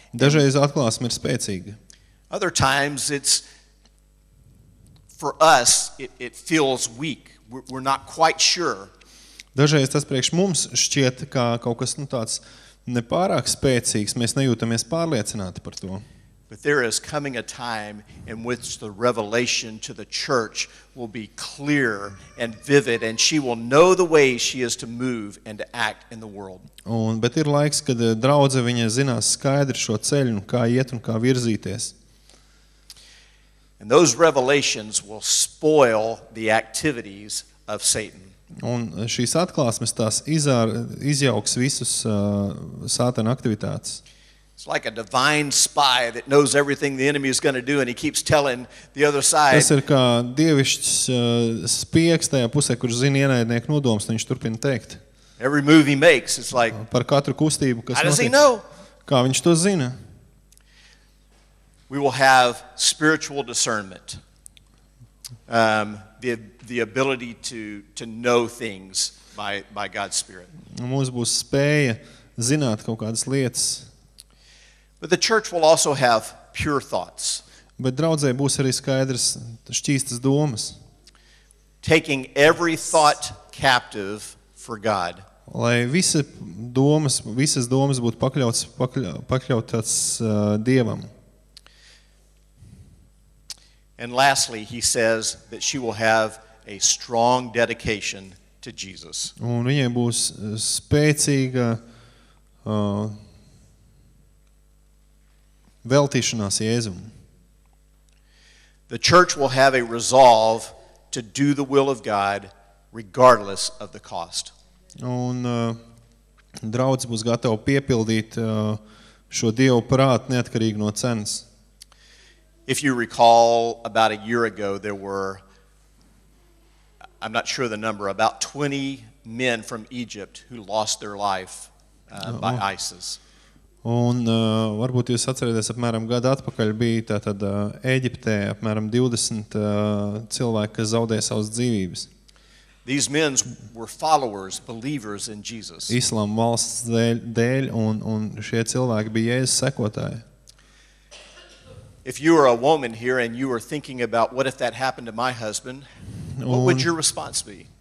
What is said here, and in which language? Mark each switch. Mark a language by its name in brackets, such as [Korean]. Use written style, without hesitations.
[Latvian] Dažreiz atklāsme ir spēcīga. [English] Other times it's for us it feels weak. We're not quite sure. [Latvian] Dažreiz tas priekš mums šķiet kā kaut kas, nu, tāds nepārāk spēcīgs, mēs nejūtamies pārliecināti par to. [English] But there is coming a time in which the revelation to the church will be clear and vivid, and she will know the way she is to move and to act in the world. [Latvian] Un, bet ir laiks, kad draudze viņa zinās skaidri šo ceļu, kā iet un kā virzīties. [English] And those revelations will spoil the activities of Satan. [Latvian] Un šīs atklāsmes tās izjauks visus Sātana aktivitātes. [English] It's like a divine spy that knows everything the enemy is going to do and he keeps telling the other side. [Latvian] Tas ir kā dievišķs spieks tajā pusē, kurš zina ienaidnieku nodomus, viņš turpina teikt. [English] Every move he makes is like [Latvian] par katru kustību, kas notiek. [English] How does he know? [Latvian] Kā viņš to zina? [English] We will have spiritual discernment. The ability to know things by God's spirit. [Latvian] Mums būs spēja zināt kaut kādas lietas. [English] But the church will also have pure thoughts. [Latvian] Bet draudzē būs arī skaidras šķīstas domas. [English] Taking every thought captive for God. [Latvian] Lai visas domas būtu pakļautas Dievam. [English] And lastly, he says that she will have a strong dedication to Jesus. [Latvian] Un viņai būs spēcīga veltīšanās Jēzum. [English] The church will have a resolve to do the will of God regardless of the cost. [Latvian] Un draudz būs gatava piepildīt šo Dievu prātu neatkarīgi no cenas. [English] If you recall, about a year ago, there were, I'm not sure the number, about 20 men from Egypt who lost their life by ISIS. [Latvian] Un varbūt jūs atcerieties, apmēram gadu atpakaļ bija tātad Ēģiptē apmēram 20 cilvēki, kas zaudēja savas dzīvības. [English] These men were followers, believers in Jesus. [Latvian] Islāma valsts dēļ un šie cilvēki bija Jēzus sekotāji. [English] If you are a woman here and you are thinking about what if that happened to my husband, what would your response be?